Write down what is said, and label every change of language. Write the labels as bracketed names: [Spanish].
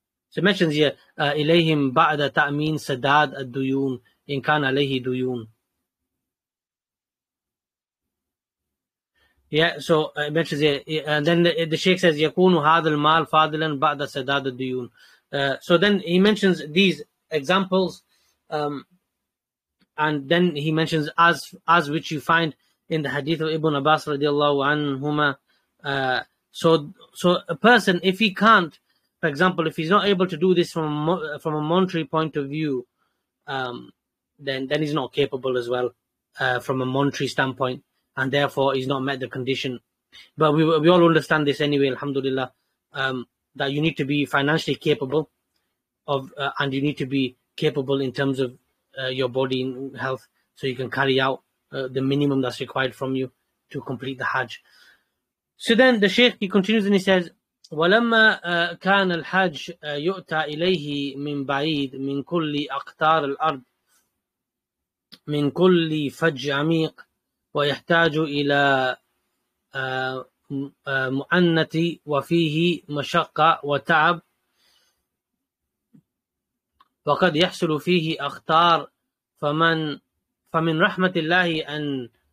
[English] So it mentions here, [Arabic] إِلَيْهِمْ بَعْدَ تَأْمِينَ سَدَادْ الدُّيُونَ إِنْ كَانَ عَلَيْهِ دُّيُونَ. [English] Yeah, so it mentions here, and then the Shaykh says, [Arabic] يَكُونُ هَذَا الْمَالِ فَاضِلًا بَعْدَ سَدَادْ الدُّيُونَ. [English] So then he mentions these examples, and then he mentions as which you find in the hadith of Ibn Abbas radiallahu anhuma, so a person, if he can't, for example, if he's not able to do this from a monetary point of view, then he's not capable as well from a monetary standpoint, and therefore he's not met the condition. But we all understand this anyway, alhamdulillah, that you need to be financially capable of, and you need to be capable in terms of your body and health, so you can carry out the minimum that's required from you to complete the Hajj. So then the Shaykh, he continues and he says, [Arabic] وَلَمَّا كَانَ الْحَجْ يُؤْتَى إِلَيْهِ مِنْ بَعِيدٍ مِنْ كُلِّ أَقْطَارِ الْأَرْضِ مِنْ كُلِّ فَجٍّ عَمِيقٍ وَيَحْتَاجُ إِلَى مُعَنَّةٍ وَفِيهِ مَشَقَّةٍ وَتَعَبٍ وَقَدْ يَحْصُلُ فِيهِ أَخْطَارٍ فَمِنْ رَحْمَةِ اللَّهِ أَنْ